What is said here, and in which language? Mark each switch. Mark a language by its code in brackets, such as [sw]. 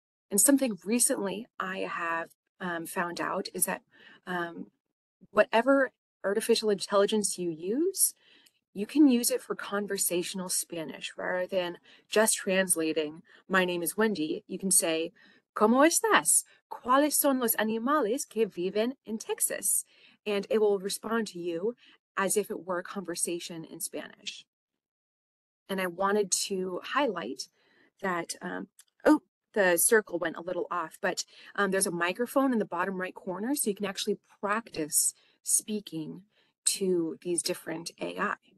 [en] And something recently I have found out is that whatever artificial intelligence you use, you can use it for conversational Spanish rather than just translating, "My name is Wendy." You can say, [es] "¿Cómo estás? ¿Cuáles son los animales que viven en Texas?" [en] And it will respond to you as if it were a conversation in Spanish. And I wanted to highlight that, the circle went a little off, but there's a microphone in the bottom right corner, so you can actually practice speaking to these different AI.